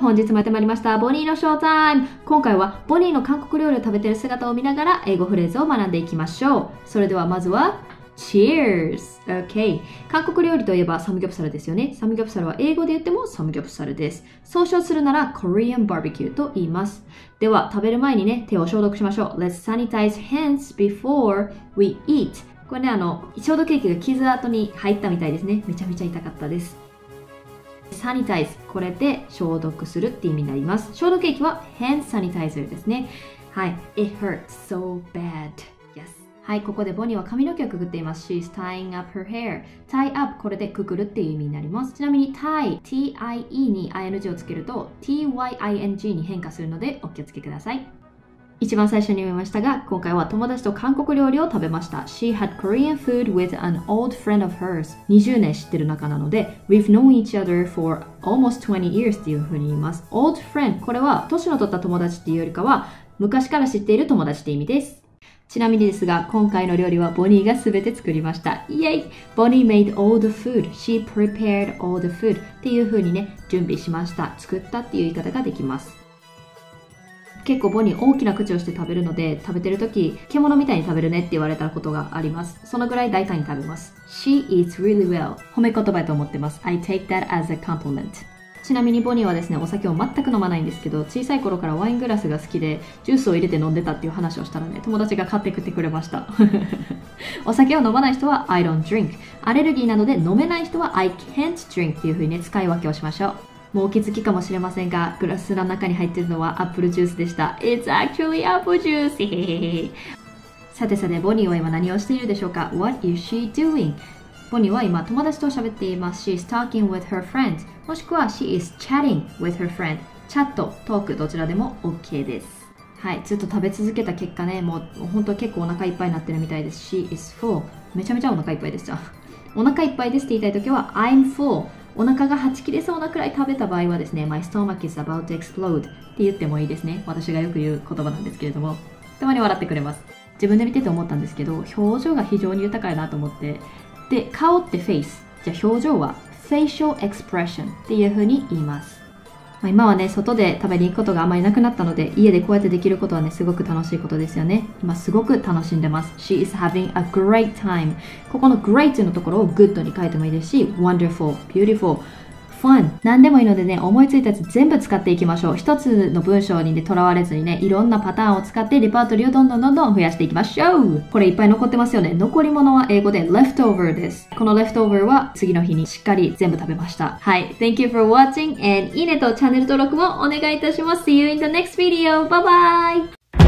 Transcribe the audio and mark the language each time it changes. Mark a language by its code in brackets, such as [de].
[ja] 本日もやってまいりました。ボニーのショータイム。今回はボニーの韓国料理を食べている姿を見ながら英語フレーズを学んでいきましょう。それではまずは、 [en] Cheers! Okay. [ja] 韓国料理といえばサムギョプサルですよね。サムギョプサルは英語で言ってもサムギョプサルです。総称するなら Korean Barbecue と言います。では食べる前にね、手を消毒しましょう。 [en] Let's sanitize hands before we eat. [ja] これね、消毒液が傷跡に入ったみたいですね。めちゃめちゃ痛かったです。サニタイズ、これで消毒するって意味になります。消毒液は hand sanitizer ですね。 [en] はい、 It hurts so bad. Yes. [ja] はい、ここでボニーは髪の毛をくぐっています。 [en] She's tying up her hair. [ja] Tie up、 これでくぐるっていう意味になります。ちなみに tie、 T-I-E に ing をつけると T-Y-I-N-G に変化するのでお気をつけください。一番最初に見ましたが、今回は友達と韓国料理を食べました。 [en] She had Korean food with an old friend of hers. [ja] 20年知ってる仲なので、 [en] We've known each other for almost 20 years [ja] っていうふうに言います。 Old friend、これは年の取った友達っていうよりかは、昔から知っている友達って意味です。ちなみにですが、今回の料理はボニーがすべて作りました。イエイ！ [en] Bonnie made all the food. She prepared all the food. [ja] っていうふうにね、準備しました。作ったっていう言い方ができます。結構ボニー大きな口をして食べるので、食べてる時獣みたいに食べるねって言われたことがあります。そのぐらい大胆に食べます。 [en] She eats really well。 [ja] 褒め言葉と思ってます。 [en] I take that as a compliment。 [ja] ちなみにボニーはですね、お酒を全く飲まないんですけど、小さい頃からワイングラスが好きでジュースを入れて飲んでたっていう話をしたらね、友達が買ってくってくれました。お酒を飲まない人は [en] I don't drink、 [ja] アレルギーなので飲めない人は [en] I can't drink [ja] っていう風にね、使い分けをしましょう。もうお気づきかもしれませんが、グラスの中に入っているのはアップルジュースでした。 [en] It's actually apple juice! [ja] さてさて、ボニーは今何をしているでしょうか？ [en] What is she doing? [ja] ボニーは今友達と喋っています。 [en] She's talking with her friend. [ja] もしくは [en] She is chatting with her friend. [ja] チャット、トーク、どちらでも OK です。はい、ずっと食べ続けた結果ね、もう本当結構お腹いっぱいになってるみたいです。 [en] She is full. [ja] めちゃめちゃお腹いっぱいでした。お腹いっぱいですって言いたいときは [en] I'm full。 [ja] お腹がはち切れそうなくらい食べた場合はですね、 [en] My stomach is about to explode [ja] って言ってもいいですね。私がよく言う言葉なんですけれども、たまに笑ってくれます。自分で見てて思ったんですけど、表情が非常に豊かやなと思って。で、顔ってフェイス、じゃあ表情は Facial expression っていう風に言います。まあ、今はね、外で食べに行くことがあまりなくなったので、家でこうやってできることはね、すごく楽しいことですよね。今すごく楽しんでます。 [en] She is having a great time。 [ja] ここの great のところを good に変えてもいいですし、 wonderful、 beautiful、 fun、 何でもいいのでね、思いついたやつ全部使っていきましょう。一つの文章にね、とらわれずにね、いろんなパターンを使ってレパートリーをどんどんどんどん増やしていきましょう。これいっぱい残ってますよね。残り物は英語で leftover です。この leftover は次の日にしっかり全部食べました。 [en] はい、 Thank you for watching and [ja] いいねとチャンネル登録もお願いいたします。 [en] See you in the next video. Bye bye.